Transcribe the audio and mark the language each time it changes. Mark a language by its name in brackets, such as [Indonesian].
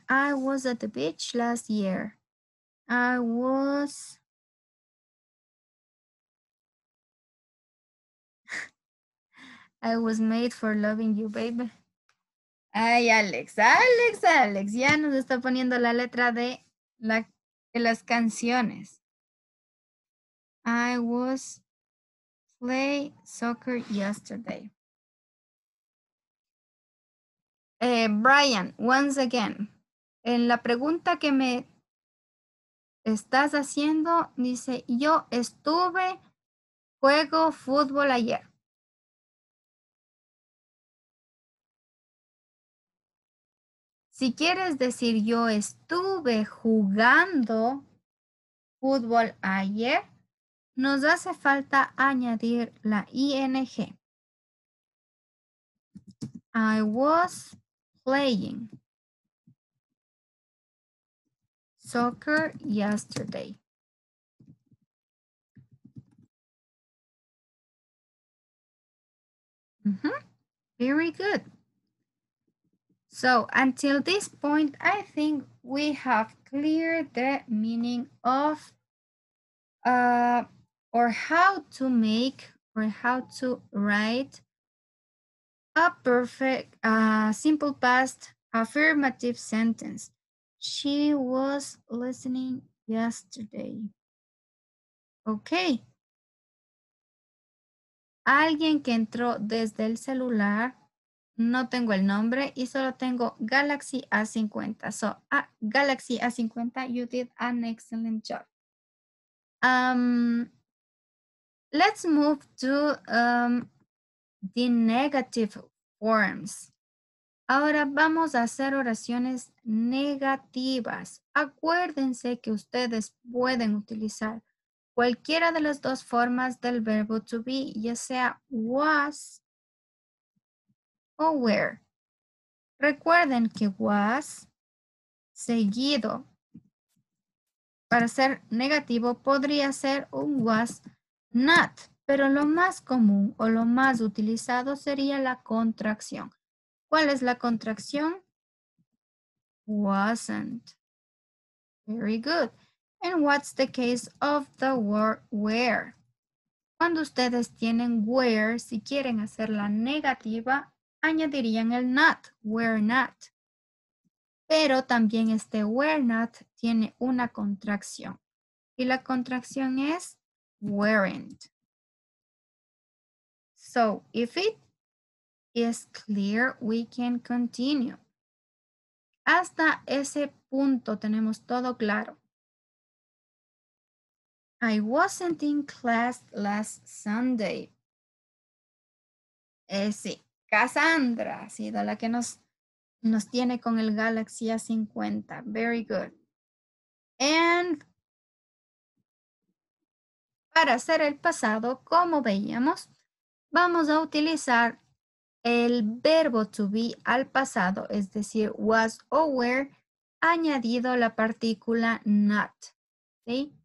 [English] I was at the beach last year. I was... I was made for loving you, baby. [Spanish] Ay, Alex, Alex, Alex. Ya nos está poniendo la letra de las canciones. [English] I was play soccer yesterday. [Spanish] Brian, [English] once again, [Spanish] en la pregunta que me estás haciendo, dice, yo estuve, juego fútbol ayer. Si quieres decir, yo estuve jugando fútbol ayer, nos hace falta añadir la ing. [English] I was playing soccer yesterday. Very good. So until this point, I think we have cleared the meaning of or how to make or how to write a perfect, simple past affirmative sentence. She was listening yesterday. Okay. [Spanish] Alguien que entró desde el celular. No tengo el nombre y solo tengo Galaxy A50. [English] So, Galaxy A50, you did an excellent job. Let's move to the negative forms [Spanish] Ahora vamos a hacer oraciones negativas. Acuérdense que ustedes pueden utilizar cualquiera de las dos formas del verbo to be, ya sea was o were. Recuerden que was seguido para ser negativo podría ser un was not, pero lo más común o lo más utilizado sería la contracción. ¿Cuál es la contracción? Wasn't. [English] Very good. And what's the case of the word where? [Spanish] Cuando ustedes tienen where, si quieren hacerla negativa, añadirían el not, were not. Pero también este were not tiene una contracción. Y la contracción es weren't. [English] So, if it is clear, we can continue. [Spanish] Hasta ese punto tenemos todo claro. [English] I wasn't in class last Sunday. [Spanish] Sí, Cassandra ha sido la que nos tiene con el Galaxy A50. [English] Very good. And [Spanish] para hacer el pasado, como veíamos, vamos a utilizar el verbo to be al pasado, es decir, was o were, añadido la partícula not, ¿sí?